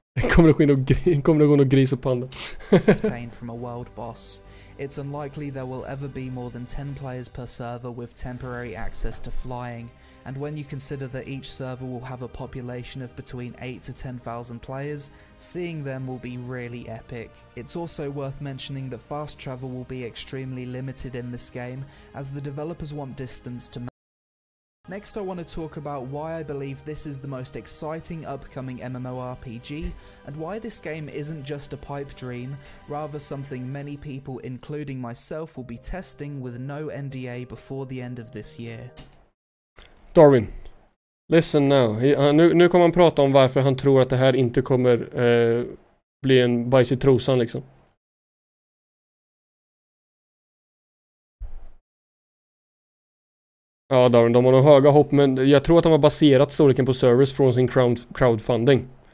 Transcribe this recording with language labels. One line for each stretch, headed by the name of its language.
Swedish: Kommer det gå någon gris och panda?
English: Obtained from a world boss. It's unlikely there will ever be more than 10 players per server with temporary access to flying. And when you consider that each server will have a population of between 8 to 10,000 players, seeing them will be really epic. It's also worth mentioning that fast travel will be extremely limited in this game, as the developers want distance to make. Next, I want to talk about why I believe this is the most exciting upcoming MMORPG, and why this game isn't just a pipe dream, rather something many people, including myself, will be testing with no NDA before the end of this year. Darwin, listen now.
Swedish: Nu kommer han prata om varför han tror att det här inte kommer bli en bajs i trosan, liksom. Ja, Darwin, de har nog höga hopp, men jag tror att de har baserat storleken på servers från sin crowdfunding.